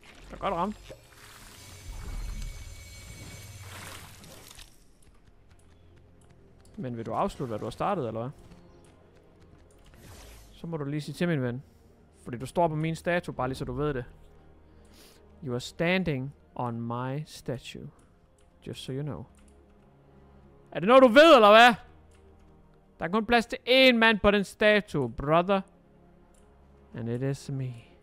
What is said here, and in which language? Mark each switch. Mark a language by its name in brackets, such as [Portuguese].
[Danish] Jeg er godt ramt. Men vil du afslutte, hvad du har startet, eller hvad? Så må du lige sige til, min ven. Fordi du står på min statue, bare lige så du ved det. [English] You are standing on my statue. Just so you know. [Danish] Er det noget, du ved, eller hvad? Der er kun plads til én mand på den statue, brother. [English] And it is me.